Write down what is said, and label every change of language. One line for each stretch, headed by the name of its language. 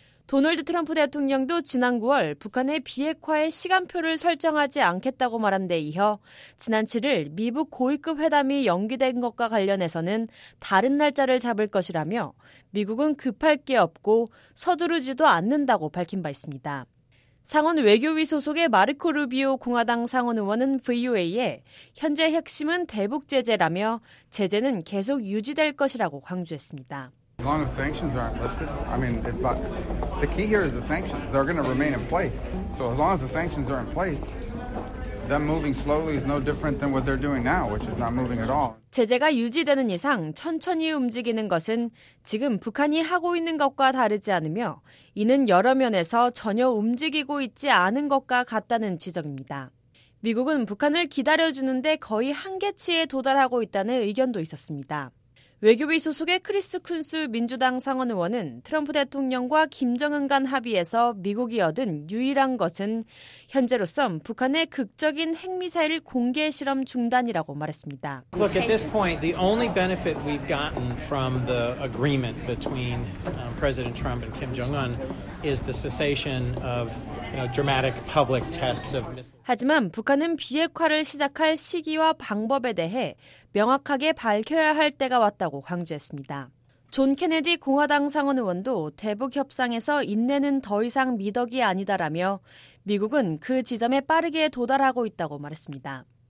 Korean: 도널드 트럼프 대통령도 지난 9월 북한의 비핵화의 시간표를 설정하지 않겠다고 말한 데 이어 지난 7일 미북 고위급 회담이 연기된 것과 관련해서는 다른 날짜를 잡을 것이라며 미국은 급할 게 없고 서두르지도 않는다고 밝힌 바 있습니다. 상원 외교위 소속의 마르코 루비오 공화당 상원 의원은 VOA에 현재 핵심은 대북 제재라며 제재는 계속 유지될 것이라고 강조했습니다.
English: As long as sanctions aren't lifted, I mean, but the key here is the sanctions. They're going to remain in place. So as long as the sanctions are in place, them moving slowly is no different than what they're doing now, which is not moving at all.
Korean: 제재가 유지되는 이상 천천히 움직이는 것은 지금 북한이 하고 있는 것과 다르지 않으며 이는 여러 면에서 전혀 움직이고 있지 않은 것과 같다는 지적입니다. 미국은 북한을 기다려주는데 거의 한계치에 도달하고 있다는 의견도 있었습니다. 외교비 소속의 크리스 쿤스 민주당 상원 의원은 트럼프 대통령과 김정은 간 합의에서 미국이 얻은 유일한 것은 현재로선 북한의 극적인 핵미사일 공개 실험 중단이라고 말했습니다.
English: Look, at this point, the only benefit we've gotten from the agreement between President Trump and Kim Jong-un is the cessation of dramatic public tests of missiles.
Korean: 하지만 북한은 비핵화를 시작할 시기와 방법에 대해 명확하게 밝혀야 할 때가 왔다고 강조했습니다. 존 케네디 공화당 상원 의원도 대북 협상에서 인내는 더 이상 미덕이 아니다라며 미국은 그 지점에 빠르게 도달하고 있다고 말했습니다.